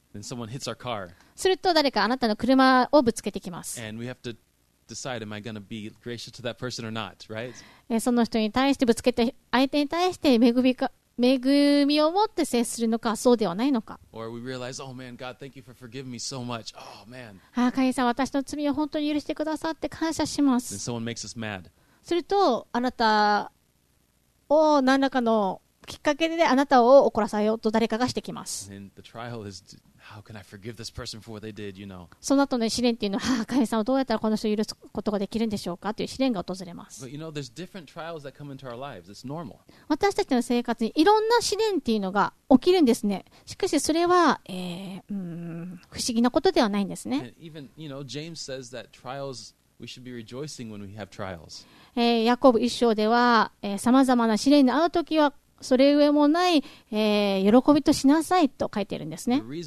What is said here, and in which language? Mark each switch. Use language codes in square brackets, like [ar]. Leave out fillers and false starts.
[ja] すると誰かあなたの車をぶつけてきます。 [en] Decide, am I going to be gracious to that person or not, right? [ja] その人に対してぶつけて、相手に対して恵みを持って接するのか、そうではないのか。 [en] Or we realize, oh man, God, thank you for forgiving me so much. Oh man. [ja] 神様、私の罪を本当に許してくださって感謝します。 [en] And someone makes us mad. [ja] すると、あなたを何らかのきっかけであなたを怒らせようと誰かがしてきます。その後の試練っていうのは、神様どうやったらこの人を許すことができるんでしょうかという試練が訪れます。 [en] But you know, there's different trials that come into our lives. It's normal. [ja] 私たちの生活にいろんな試練っていうのが起きるんですね。しかしそれは、不思議なことではないんですね。 [en] And even, you know, James says that trials, we should be rejoicing when we have trials. [ja] ヤコブ一章では、さまざまな試練に遭うときはそれ上もない、喜びとしなさいと書いているんですね。